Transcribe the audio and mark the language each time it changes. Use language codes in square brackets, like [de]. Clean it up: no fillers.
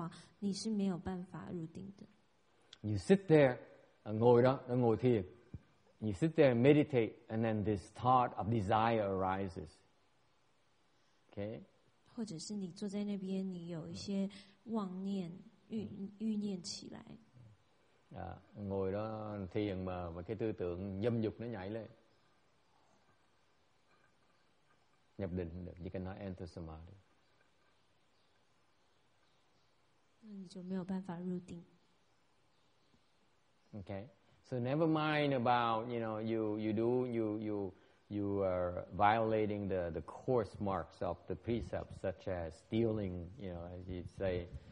[zh] 举例来说，如果你坐在那边，你有想到这些生气的这些念头的话，你是没有办法入定的。 [en] You sit there, [zh] 坐着，坐着。 [en] You sit there and meditate, and then this thought of desire arises. Okay. [zh] 或者是你坐在那边，你有一些妄念、欲念起来。 [vi] À, ngồi đó thiền mà cái tư tưởng dâm dục nó nhảy lên. Nhập định được, [en] you cannot enter samadhi. Okay. So never mind about, you know, you are violating the course marks of the precepts such as stealing, you know, as you say.